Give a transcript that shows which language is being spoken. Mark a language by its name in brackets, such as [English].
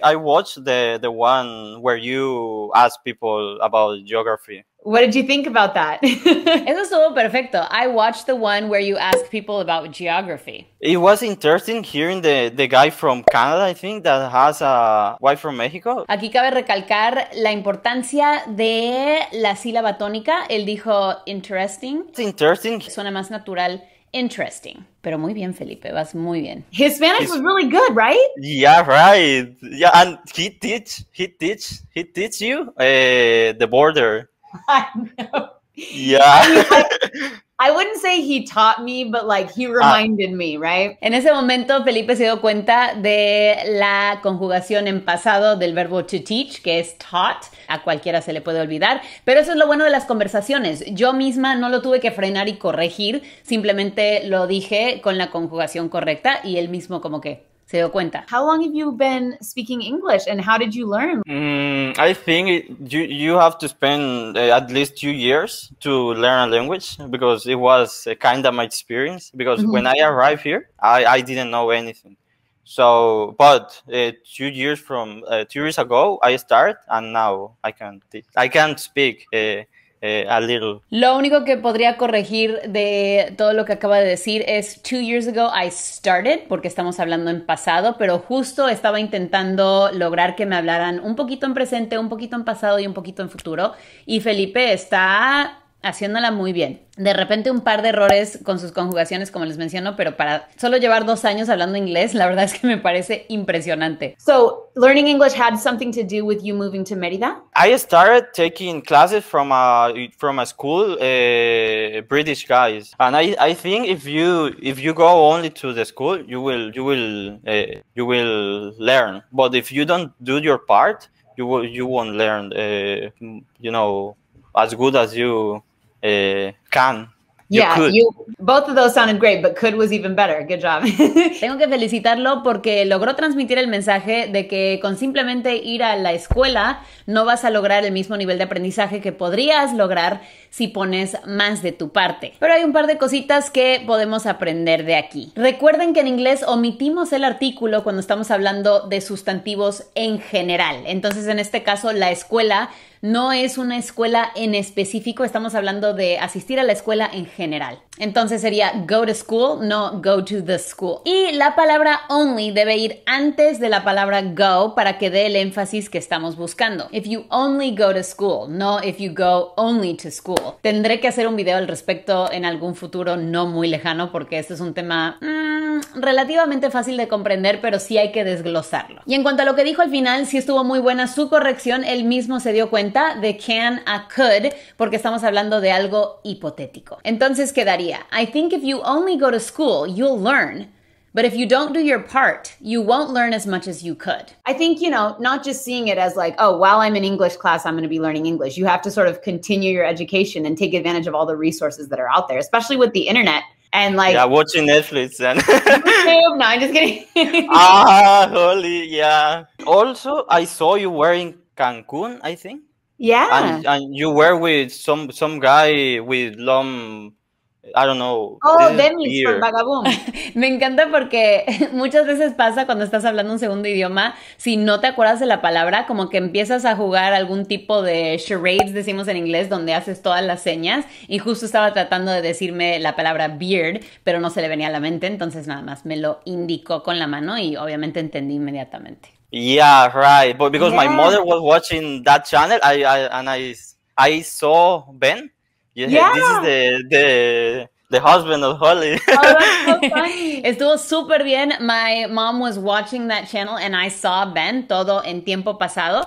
[English] I watch the one where you ask people about geography. What did you think about that? [Spanish] Eso estuvo perfecto. [English] I watched the one where you ask people about geography. It was interesting hearing the guy from Canada, I think, that has a wife from Mexico. [Spanish] Aquí cabe recalcar la importancia de la sílaba tónica. Él dijo interesting. [English] It's interesting. [Spanish] Suena más natural Interesting. Pero muy bien, Felipe. Vas muy bien. [English] His Spanish was really good, right? Yeah, right. Yeah, and he teach you the border. I know. Yeah. I wouldn't say he taught me, but like he reminded me, right? [Spanish] En ese momento, Felipe se dio cuenta de la conjugación en pasado del verbo to teach, que es taught. A cualquiera se le puede olvidar. Pero eso es lo bueno de las conversaciones. Yo misma no lo tuve que frenar y corregir. Simplemente lo dije con la conjugación correcta y él mismo como que se dio cuenta. [English] How long have you been speaking English and how did you learn? I think you have to spend at least 2 years to learn a language because it was kind of my experience. Because when I arrived here, I didn't know anything. So, but 2 years from 2 years ago, I start and now I can speak a little. [Spanish] Lo único que podría corregir de todo lo que acaba de decir es [English] 2 years ago I started, [Spanish] porque estamos hablando en pasado, pero justo estaba intentando lograr que me hablaran un poquito en presente, un poquito en pasado y un poquito en futuro. Y Felipe está haciéndola muy bien. De repente un par de errores con sus conjugaciones, como les menciono, pero para solo llevar 2 años hablando inglés, la verdad es que me parece impresionante. [English] So, learning English had something to do with you moving to Mérida? I started taking classes from a school, British guys. And I think if you go only to the school, you will learn. But if you don't do your part, you won't learn, you know, as good as you can. Yeah, you could. Both of those sounded great, but could was even better. Good job. [Spanish] Tengo que felicitarlo porque logró transmitir el mensaje de que con simplemente ir a la escuela no vas a lograr el mismo nivel de aprendizaje que podrías lograr si pones más de tu parte. Pero hay un par de cositas que podemos aprender de aquí. Recuerden que en inglés omitimos el artículo cuando estamos hablando de sustantivos en general. Entonces, en este caso, la escuela no es una escuela en específico. Estamos hablando de asistir a la escuela en general. Entonces sería [English] go to school, [Spanish] no [English] go to the school. [Spanish] Y la palabra only debe ir antes de la palabra go para que dé el énfasis que estamos buscando. If you only go to school, no if you go only to school. Tendré que hacer un video al respecto en algún futuro no muy lejano porque este es un tema relativamente fácil de comprender, pero sí hay que desglosarlo. Y en cuanto a lo que dijo al final, sí estuvo muy buena su corrección. Él mismo se dio cuenta de can a could porque estamos hablando de algo hipotético. Entonces queda: [English] I think if you only go to school, you'll learn. But if you don't do your part, you won't learn as much as you could. I think, you know, not just seeing it as like, oh, while I'm in English class, I'm going to be learning English. You have to sort of continue your education and take advantage of all the resources that are out there, especially with the internet. And like, yeah, watching Netflix and YouTube. No, I'm just kidding. Holy, yeah. Also, I saw you were in Cancun, I think. Yeah. And you were with some guy with long, I don't know. Oh, Demis from Vagaboom. [Spanish] Me encanta porque muchas veces pasa cuando estás hablando un segundo idioma, si no te acuerdas de la palabra, como que empiezas a jugar algún tipo de charades, decimos en inglés, donde haces todas las señas. Y justo estaba tratando de decirme la palabra beard, pero no se le venía a la mente. Entonces nada más me lo indicó con la mano y obviamente entendí inmediatamente. [English] Yeah, right. But because my mother was watching that channel, I saw Ben. Yeah, this is the husband of Holly. Oh, that's so funny. [Spanish] Estuvo súper bien. [English] My mom was watching that channel and I saw Ben [Spanish] todo en tiempo pasado.